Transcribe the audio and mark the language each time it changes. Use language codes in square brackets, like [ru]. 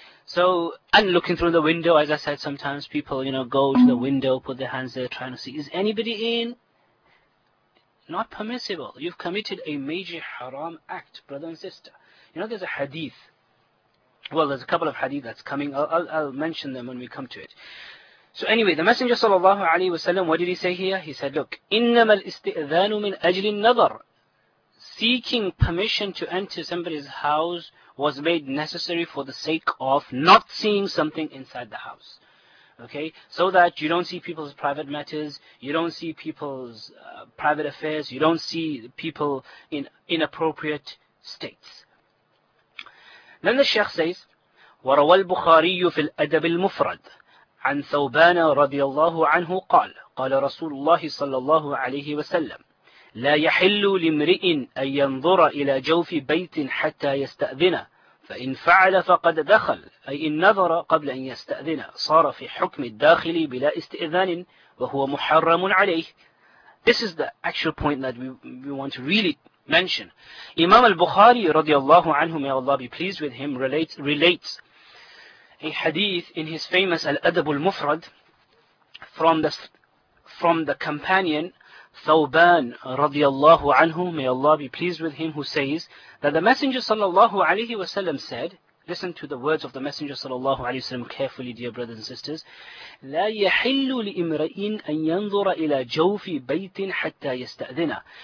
[en] So, and looking through the window, as I said, sometimes people, you know, go to the window, put their hands there, trying to see, is anybody in? Not permissible. You've committed a major haram act, brother and sister. You know, there's a hadith. Well, there's a couple of hadith that's coming. I'll mention them when we come to it. So anyway, the Messenger sallallahu alayhi wa sallam, what did he say here? He said, look, [ar] إِنَّمَا الْإِسْتِئْذَانُ مِنْ أَجْلِ النَّظَرِ. [en] Seeking permission to enter somebody's house was made necessary for the sake of not seeing something inside the house. Okay, so that you don't see people's private matters, you don't see people's private affairs, you don't see people in inappropriate states. Then the Sheikh says, [ar] وروى البخاري في الأدب المفرد عن ثوبان رضي الله عنه قال قال رسول الله صلى الله عليه وسلم لا يحل لامرئ أن ينظر إلى جوف بيت حتى يستأذن فإن فعل فقد دخل أي إن نظر قبل أن يستأذن صار في حكم الداخل بلا استئذان وهو محرم عليه. [en] This is the actual point that we want to really mention. Imam al-Bukhari [ar] رضي الله عنه, [en] may Allah be pleased with him, relates a hadith in his famous Al-Adab al-Mufrad from the companion Thawban رضي الله عنه, may Allah be pleased with him, who says that the Messenger sallallahu alayhi wa sallam said, listen to the words of the Messenger sallallahu alayhi wa sallam carefully, dear brothers and sisters, [ar] لا يحل لإمرئين أن ينظر إلى جوف بيت حتى يستأذن.